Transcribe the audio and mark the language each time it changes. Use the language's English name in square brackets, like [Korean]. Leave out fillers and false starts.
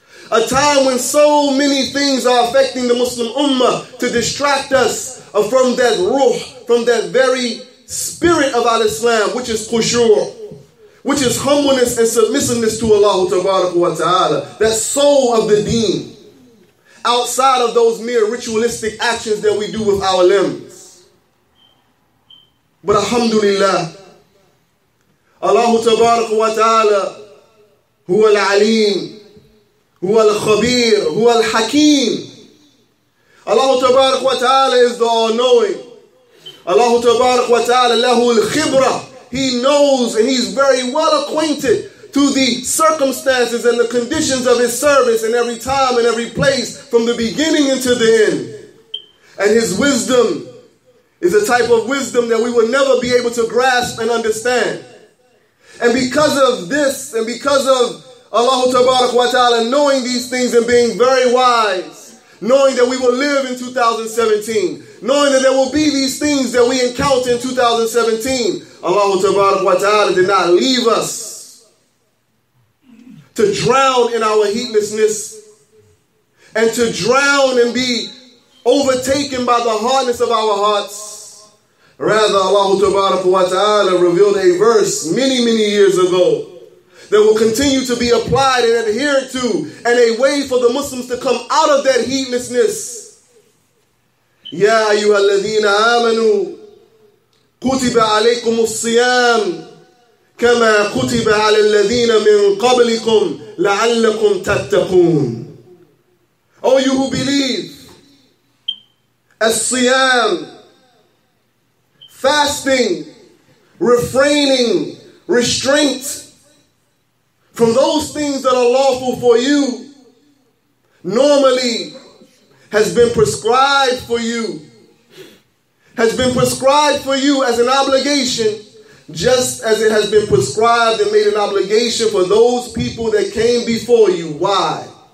[English] A time when so many things are affecting the Muslim Ummah to distract us from that ruh, from that very spirit of al-Islam, which is khushu', which is humbleness and submissiveness to Allah Tabaraka wa Ta'ala, that soul of the deen, outside of those mere ritualistic actions that we do with our limbs. But [Arabic] alhamdulillah, Allah Tabaraka wa Ta'ala, huwa al-aleem, هو الخبير هو الحكيم. الله تبارك وتعالى [English] is the all-knowing. [Arabic] الله تبارك وتعالى له الخبرة. [English] He knows and he's very well acquainted to the circumstances and the conditions of his service in every time and every place from the beginning until the end. And his wisdom is a type of wisdom that we will never be able to grasp and understand. And because of this and because of Allah Tabarak wa Ta'ala knowing these things and being very wise, knowing that we will live in 2017, knowing that there will be these things that we encounter in 2017, Allah Tabarak wa Ta'ala did not leave us to drown in our heedlessness and to drown and be overtaken by the hardness of our hearts. Rather, Allah Tabarak wa Ta'ala revealed a verse many, many years ago that will continue to be applied and adhered to, and a way for the Muslims to come out of that heedlessness. [Arabic] يا أيها الذين آمنوا كتب عليكم الصيام كما كتب على الذين من قبلكم لعلكم تتقون. [English] Oh, you who believe, الصيام, fasting, refraining, restraint from those things that are lawful for you, normally has been prescribed for you, has been prescribed for you as an obligation, just as it has been prescribed and made an obligation for those people that came before you. Why?